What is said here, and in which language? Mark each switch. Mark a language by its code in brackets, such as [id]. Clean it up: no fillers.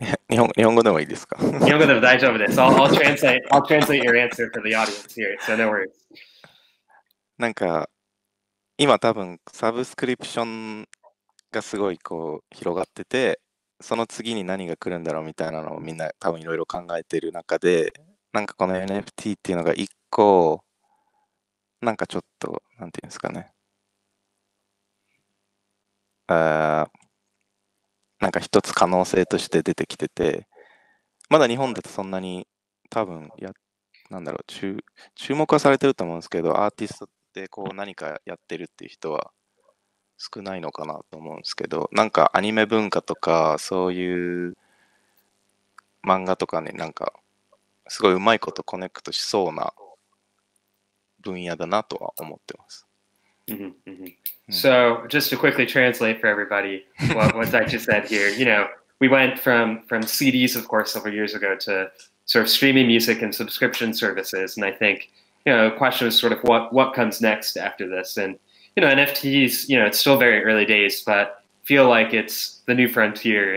[ja] 日本語でもいいですか? 日本語でも大丈夫です。 [en] I'll translate your answer for the audience here, so no worries. [ja] なんか今多分サブスクリプションがすごいこう広がってて その次に何が来るんだろうみたいなのをみんな多分いろいろ考えている中で なんかこの NFTっていうのが1個 なんかちょっと、なんていうんですかねなんか一つ可能性として出てきてて まだ日本だとそんなに多分、なんだろう、注目はされてると思うんですけど アーティストってこう何かやってるっていう人は少ないのかなと思うんですけど、なんかアニメ文化とかそういう漫画とかになんかすごいうまいことコネクトしそうな分野だなとは思ってます。 [en] So just to quickly translate for everybody what I just said here, you know, we went from CDs, of course, several years ago to sort of streaming music and subscription services, and I think, you know, the question is sort of what comes next after this. And you know, NFTs, you know, it's still very early days, but feel like it's the new frontier.